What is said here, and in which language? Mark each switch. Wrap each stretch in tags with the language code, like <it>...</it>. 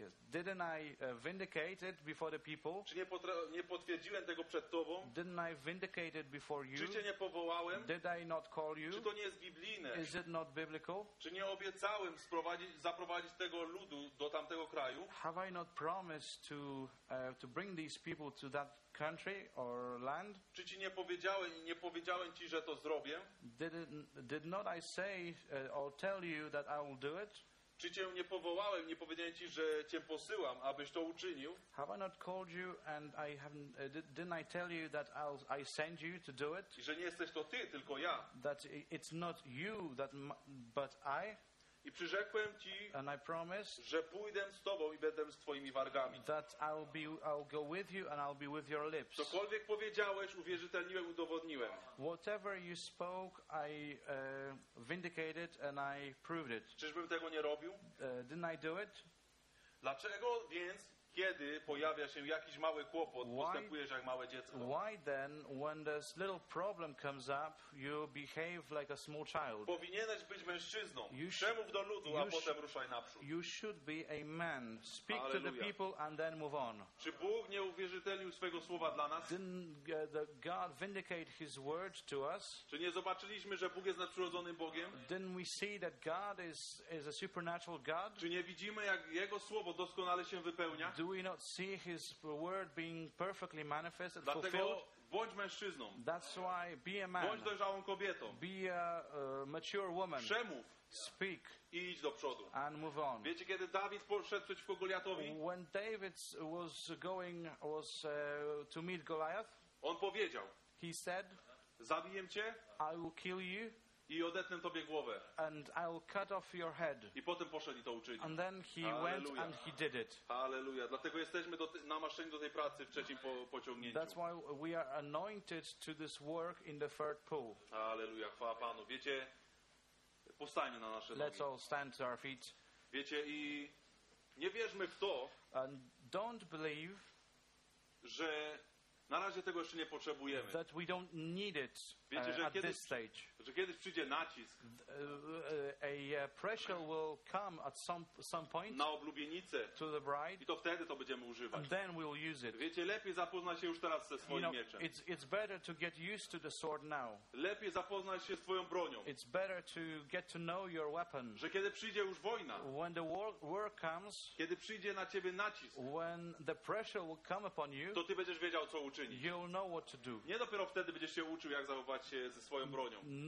<en>Didn't I vindicate it before the people?</en> <pl>Czy nie potwierdziłem tego przed tobą?</pl> <en>Didn't I vindicate it before you?</en> <pl>Czy cię nie powołałem?</pl> <en>Did I not call you?</en> <pl>Czy to nie jest biblijne?</pl> <en>Is it not biblical?</en> <pl>Czy nie obiecałem zaprowadzić tego ludu do tamtego kraju?</pl> <en>Have I not promised to bring these people to that country or land?</en> <pl>Czy ci nie powiedziałem, ci, że to zrobię?</pl> <en>Did not I say or tell you that I will do it?</en> <pl>Czy cię nie powołałem, nie powiedziałem ci, że cię posyłam, abyś to uczynił?</pl> <en>Have I not called you and I haven't, didn't I tell you that I send you to do it?</en> <pl>I że nie jesteś to ty, tylko ja.</pl> <en>That it's not you, that but I.</en> <pl>I przyrzekłem ci,</pl> <en>and I promise,</en> <pl>że pójdę z tobą i będę z twoimi wargami.</pl> <en>That I'll go with you and I'll be with your lips.</en> <pl>Cokolwiek powiedziałeś, uwierzytelniłem, udowodniłem.</pl> <en>Whatever you spoke, I vindicated and I proved it.</en> <pl>Czyżbym tego nie robił?</pl> <en>Didn't I do it?</en> <pl>Dlaczego więc, kiedy pojawia się jakiś mały kłopot, postępujesz jak małe dziecko?</pl> <en>Why then, when this little problem comes up, you behave like a small child?</en> <pl>Powinieneś być mężczyzną. Przemów do ludu, a potem ruszaj naprzód.</pl> <en>You should be a man. Speak Alleluja. To the people and then move on.</en> <pl>Czy Bóg nie uwierzytelił swojego słowa dla nas?</pl> <en>Didn't God vindicate his word to us?</en> <pl>Czy nie zobaczyliśmy, że Bóg jest nadprzyrodzonym Bogiem?</pl> <en>Didn't we see that God is a supernatural God?</en> <pl>Czy nie widzimy, jak jego słowo doskonale się wypełnia?</pl> <en>Do we not see his word being perfectly manifested, fulfilled?</en> <pl>Bądź mężczyzną.</pl> <en>That's why be a man.</en> <pl>Bądź dojrzałą kobietą.</pl> <en>Be a mature woman.</en> <pl>Przemów.</pl> <en>Speak.</en> <pl>I idź do przodu.</pl> <en>And move on.</en> <pl>Wiecie, kiedy Dawid poszedł przeciwko Goliatowi?</pl> <en>When David was to meet Goliath,</en> <pl>on powiedział,</pl> <en>he said,</en> <pl>zabiję cię.</pl> <en>I will kill you.</en> <pl>I odetnę tobie głowę.</pl> <en>And I'll cut off your head.</en> <pl>I potem poszedł i to uczynił.</pl> <en>And then he went and he did it. Hallelujah.</en> <pl>Dlatego jesteśmy namaszczeni do tej pracy w trzecim pociągnięciu.</pl> <en>That's why we are anointed to this work in the third pool.</en> <pl>Hallelujah. Chwała Panu. Wiecie, powstajmy na nasze nogi.</pl> <en>Let's all stand to our feet.</en> <pl>Wiecie, i nie wierzmy w to,</pl> <en>and don't believe,</en> <pl>że na razie tego jeszcze nie potrzebujemy.</pl> <en>That we don't need it.</en> <pl>Wiecie, że</pl> <en>at</en> <pl>kiedyś,</pl> <en>this stage.</en> <pl>Że kiedyś przyjdzie nacisk.</pl> <en>A pressure will come at some point.</en> <pl>Na oblubienicę.</pl> <en>To the bride.</en> <pl>I to wtedy to będziemy używać.</pl> <en>And then we'll use it.</en> <pl>Wiecie, lepiej zapoznać się już teraz ze swoim mieczem.</pl> <en>It's better to get used to the sword now.</en> <pl>Lepiej zapoznać się z twoją bronią.</pl> <en>It's better to get to know your weapon.</en> <pl>Że kiedy przyjdzie już wojna.</pl> <en>When the war comes.</en> <pl>Kiedy przyjdzie na ciebie nacisk.</pl> <en>When the pressure will come upon you.</en> <pl>To ty będziesz wiedział, co uczynić.</pl> <en>You'll know what to do.</en> <pl>Nie dopiero wtedy będziesz się uczył, jak zachować się ze swoją bronią.</pl>